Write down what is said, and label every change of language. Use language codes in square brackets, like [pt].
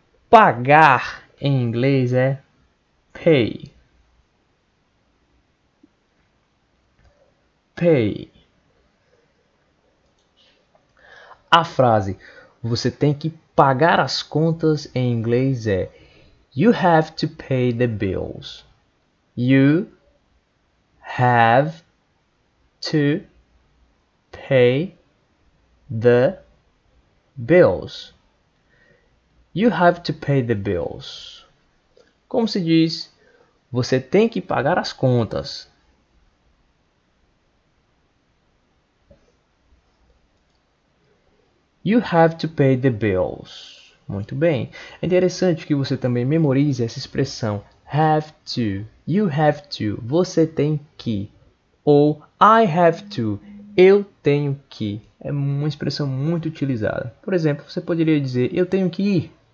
[pt] Pagar em inglês é pay. [en] Pay. [pt] A frase "você tem que pagar as contas" em inglês é [en] "you have to pay the bills". You have to pay the bills. You have to pay the bills. [pt] Como se diz, você tem que pagar as contas. [en] You have to pay the bills. [pt] Muito bem. É interessante que você também memorize essa expressão have to. [en] You have to. [pt] Você tem que. Ou [en] I have to. [pt] Eu tenho que. É uma expressão muito utilizada. Por exemplo, você poderia dizer eu tenho que ir.